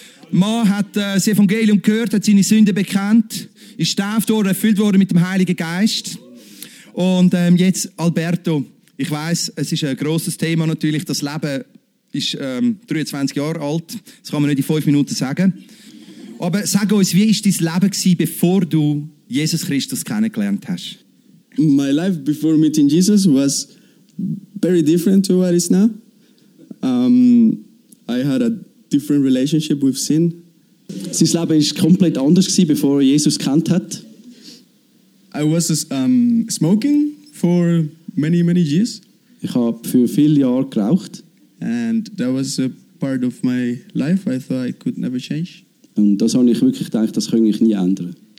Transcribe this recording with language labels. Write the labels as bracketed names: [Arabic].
[German] Mann hat das Evangelium gehört, hat seine Sünden bekannt, ist getauft worden, erfüllt worden mit dem Heiligen Geist. Und jetzt Alberto, ich weiss, es ist ein grosses Thema natürlich, das Leben ist 23 Jahre alt. Das kann man nicht in 5 Minuten sagen. Aber sag uns, wie war dein Leben gewesen, bevor du Jesus Christus kennengelernt hast? [English] My life before meeting Jesus was very different to what is now. I had a different relationship with sin. [German] Sein Leben war komplett anders, bevor er Jesus kennt hat. [English] I was smoking for many, many years. [German] Ich habe für viele Jahre geraucht. [English] And that was a part of my life I thought I could never change. [German] Und das habe ich wirklich gedacht, das könnte ich nie ändern.